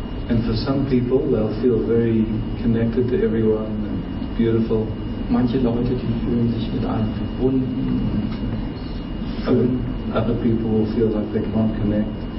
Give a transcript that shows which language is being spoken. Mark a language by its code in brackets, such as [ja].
[en] And for some people, they'll feel very connected to everyone, beautiful. [de] Manche Leute, die fühlen sich mit allem verbunden. [en] Other people will feel like they can't connect.